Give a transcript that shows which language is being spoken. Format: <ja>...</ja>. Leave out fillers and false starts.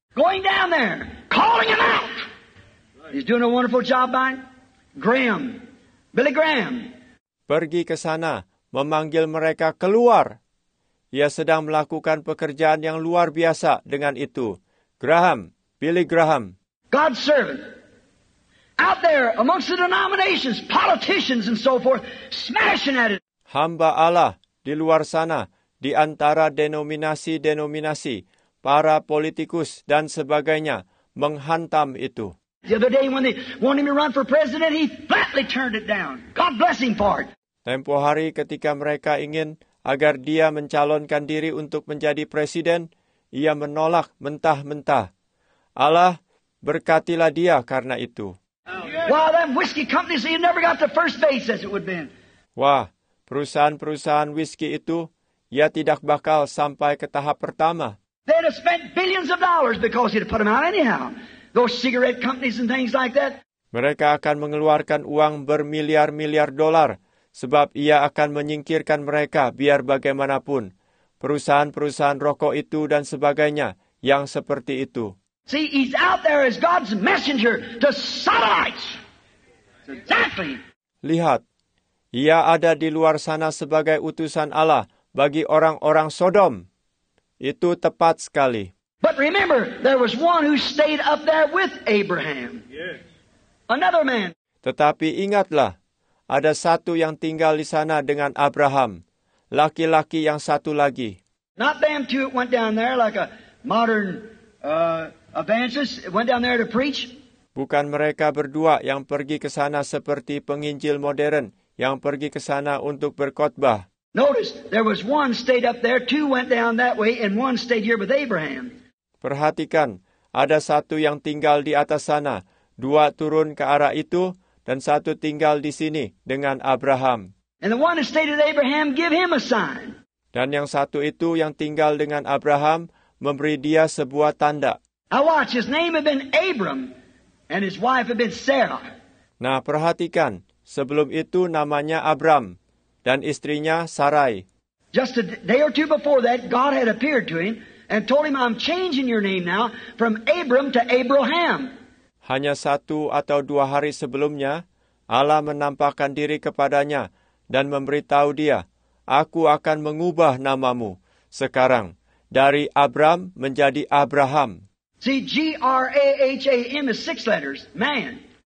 <en>Going down there, calling him out. He's doing a wonderful job by Graham, Billy Graham.</en> <id>Pergi ke sana, memanggil mereka keluar. Ia sedang melakukan pekerjaan yang luar biasa dengan itu. Graham, Billy Graham.</id> <en>God's servant. Out there amongst the denominations, politicians and so forth, smashing at it.</en> <id>Hamba Allah di luar sana, di antara denominasi-denominasi, para politikus dan sebagainya, menghantam itu.</id> <en>The other day when they wanted him to run for president, he flatly turned it down. God bless him for it.</en> <id>Tempo hari ketika mereka ingin agar dia mencalonkan diri untuk menjadi presiden, ia menolak mentah-mentah. Allah berkatilah dia karena itu.</id> <en>Wow, them whiskey companies, he never got the first base as it would have been.</en> <id>Wah, perusahaan-perusahaan whiskey itu, ia tidak bakal sampai ke tahap pertama.</id> <en>They'd have spent billions of dollars because he'd have put them out anyhow. those cigarette companies and things like that.</en> <id>Mereka akan mengeluarkan uang bermiliar-miliar dolar sebab ia akan menyingkirkan mereka biar bagaimanapun. Perusahaan-perusahaan rokok itu dan sebagainya yang seperti itu.</id> <en>See, he's out there as God's messenger to satellites. Exactly.</en> <id>Lihat, ia ada di luar sana sebagai utusan Allah bagi orang-orang Sodom. Itu tepat sekali.</id> <en>But remember, there was one who stayed up there with Abraham. Another man.</en> <id>Tetapi ingatlah, ada satu yang tinggal di sana dengan Abraham, laki-laki yang satu lagi.</id> <en>Not them two went down there like a modern evangelist went down there to preach.</en> <id>Bukan mereka berdua yang pergi ke sana seperti penginjil modern yang pergi ke sana untuk berkhotbah.</id> <en>Notice there was one stayed up there, two went down that way, and one stayed here with Abraham.</en> <id>Perhatikan, ada satu yang tinggal di atas sana, dua turun ke arah itu, dan satu tinggal di sini dengan Abraham.</id> <en>And the one who stayed with Abraham, give him a sign.</en> <id>Dan yang satu itu yang tinggal dengan Abraham, memberi dia sebuah tanda.</id> <en>Now watch, his name had been Abram, and his wife had been Sarah.</en> <id>Nah, perhatikan, sebelum itu namanya Abram, dan istrinya Sarai.</id> <en>Just a day or two before that, God had appeared to him, and told him, I'm changing your name now from Abram to Abraham.</en> <id>Hanya satu atau dua hari sebelumnya, Allah menampakkan diri kepadanya dan memberitahu dia, Aku akan mengubah namamu sekarang dari Abram menjadi Abraham.</id> <en>See, G-R-A-H-A-M is six letters, man.</en>